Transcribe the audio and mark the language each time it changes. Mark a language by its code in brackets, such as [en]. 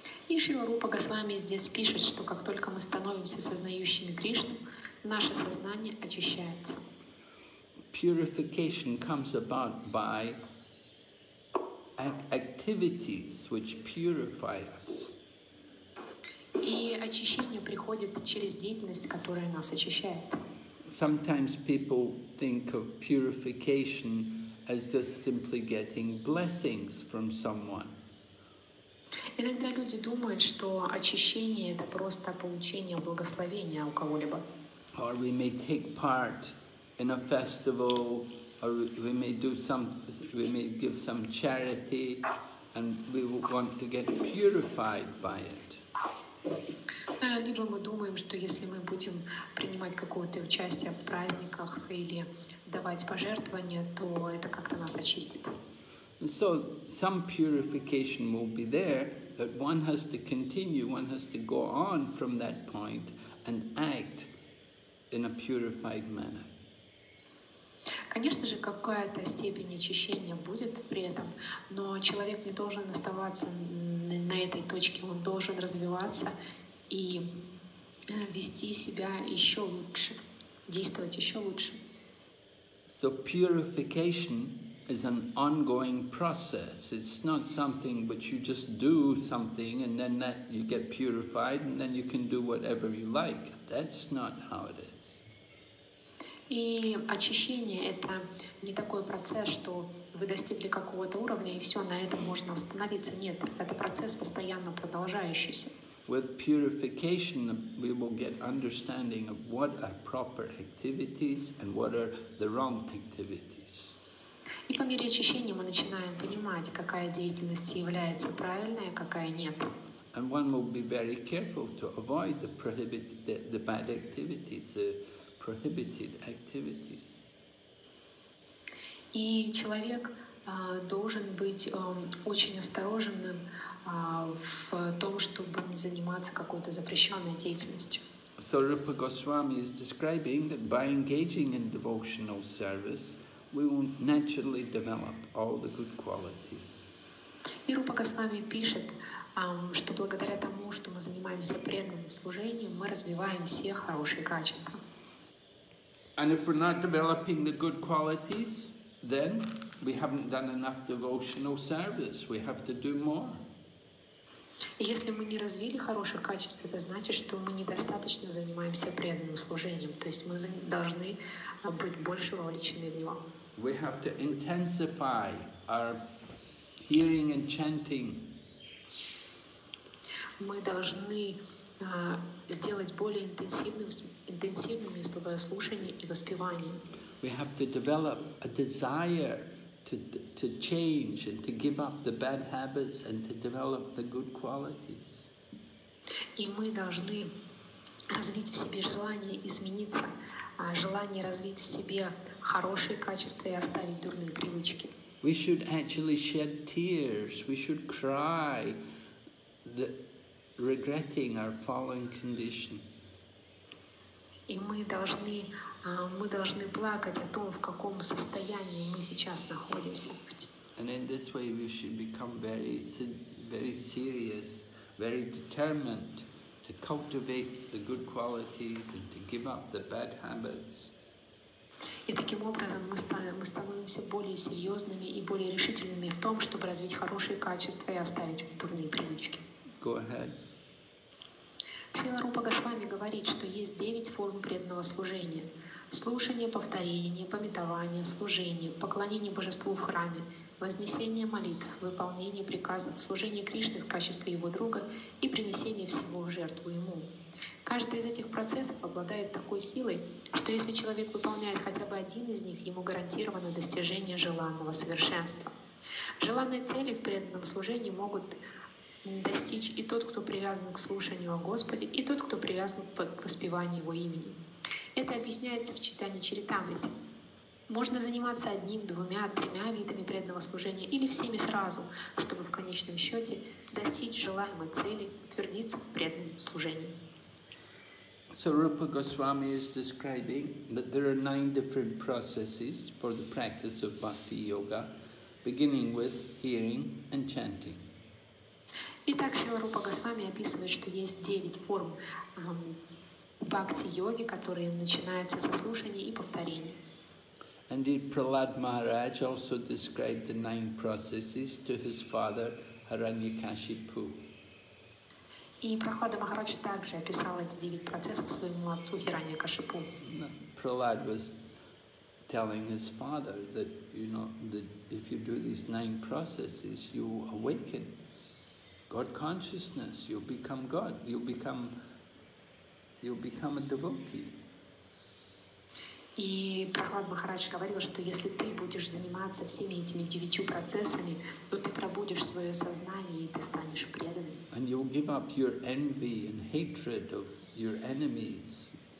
[ru] И Шрила Рупа Госвами здесь пишет, что как только мы становимся сознающими Кришну, наше сознание очищается. [en] Purification comes about by activities which purify us. [ru] И очищение приходит через деятельность, которая нас очищает. [en] Sometimes people think of purification as just simply getting blessings from someone. [ru] Иногда люди думают, что очищение это просто получение благословения у кого-либо. [en] Or we may take part in a festival, or we may do some, we may give some charity, and we will want to get purified by it. [ru] Либо мы думаем, что если мы будем принимать какое-то участие в праздниках или давать пожертвования, то это как-то нас очистит. [en] So some purification will be there, but one has to continue, one has to go on from that point and act in a purified manner. [ru] Конечно же, какая-то степень очищения будет при этом, но человек не должен оставаться на этой точке, он должен развиваться и вести себя еще лучше, действовать еще лучше. [en] So purification is an ongoing process. It's not something which you just do something and then that you get purified and then you can do whatever you like. That's not how it is. [ru] И очищение — это не такой процесс, что вы достигли какого-то уровня, и все, на этом можно остановиться. Нет, это процесс, постоянно продолжающийся. [en] With purification, we will get understanding of what are proper activities and what are the wrong activities. [ru] И по мере очищения мы начинаем понимать, какая деятельность является правильной, а какая нет. [en] And one will be very careful to avoid the prohibited, the bad activities, the prohibited activities. [ru] И человек должен быть очень осторожным в том, чтобы не заниматься какой-то запрещенной деятельностью. [en] So Rupa Goswami is describing that by engaging in devotional service, we will naturally develop all the good qualities. [ru] И Рупа Госвами пишет, что благодаря тому, что мы занимаемся преданным служением, мы развиваем все хорошие качества. [en] And if we're not developing the good qualities, then we haven't done enough devotional service. We have to do more. [ru] Если мы не развили хорошие качества, это значит, что мы недостаточно занимаемся преданным служением. То есть мы должны быть больше вовлечены в него. [en] We have to intensify our hearing and chanting. [ru] Мы должны сделать более интенсивными свое слушание и воспевание. [en] We have to develop a desire to change and to give up the bad habits and to develop the good qualities. [ru] И мы должны развить в себе желание измениться, желание развить в себе хорошие качества и оставить дурные привычки. [en] We should actually shed tears. We should cry, regretting our fallen condition. [ru] И мы должны плакать о том, в каком состоянии мы сейчас находимся. [en] And in this way we should become very, very serious, very determined to cultivate the good qualities and to give up the bad habits. [ru] И таким образом мы становимся более серьезными и более решительными в том, чтобы развить хорошие качества и оставить дурные привычки. [en] Go ahead. [ru] Шрила Рупа Госвами говорит, что есть 9 форм преданного служения. Слушание, повторение, памятование, служение, поклонение Божеству в храме, вознесение молитв, выполнение приказов, служение Кришне в качестве Его друга и принесение всего в жертву Ему. Каждый из этих процессов обладает такой силой, что если человек выполняет хотя бы один из них, ему гарантировано достижение желанного совершенства. Желанные цели в преданном служении могут достичь и тот, кто привязан к слушанию о Господе, и тот, кто привязан к воспеванию Его имени. Это объясняется в читании Чаритамриты. Можно заниматься одним, двумя, тремя видами преданного служения или всеми сразу, чтобы в конечном счете достичь желаемой цели, утвердиться в преданном служении. [en] So Rupa Goswami is describing that there are 9 different processes for the practice of Bhakti Yoga, beginning with hearing and chanting. [ru] Итак, Шрила Рупа Госвами описывает, что есть 9 форм бхакти-йоги, которые начинаются со слушания и повторения. [en] Indeed, Prahlad Maharaj also described the 9 processes to his father Haranyakashipu. [ru] И Прахлада Махарадж также описал эти 9 процессов своему отцу Хираньякашипу. [en] Prahlad was telling his father that, you know, that if you do these nine processes, you awaken God consciousness, you'll become God, you'll become a devotee. [ru] И Прохлад Махарадж говорил, что если ты будешь заниматься всеми этими девятью процессами, то ты пробудишь свое сознание, и ты станешь преданным. [en] And you'll give up your envy and hatred of your enemies.